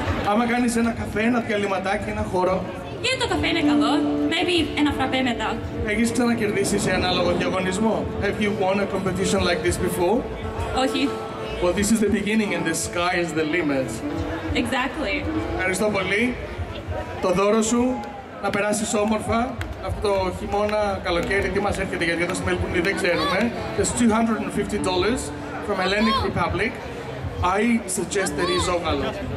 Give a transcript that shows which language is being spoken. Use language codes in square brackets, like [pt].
[el] Άμα κάνεις ένα καφέ, ένα διαλυματάκι, ένα χώρο. Και το καφέ είναι καλό. Maybe ένα φραπέ μετά. Έχεις ξανακερδίσει σε ανάλογο διαγωνισμό? [en] Have you won a competition like this before? [el] Όχι. [en] Well, this is the beginning and the sky is the limit. Exactly. [el] Ευχαριστώ πολύ. Το δώρο σου, να περάσεις όμορφα. Αυτό το χειμώνα, καλοκαίρι, τι μας έρχεται, γιατί εδώ στη Μελβούρνη δεν ξέρουμε. [en] It's $250 from Hellenic Republic. I suggest that it's Ζόγαλο.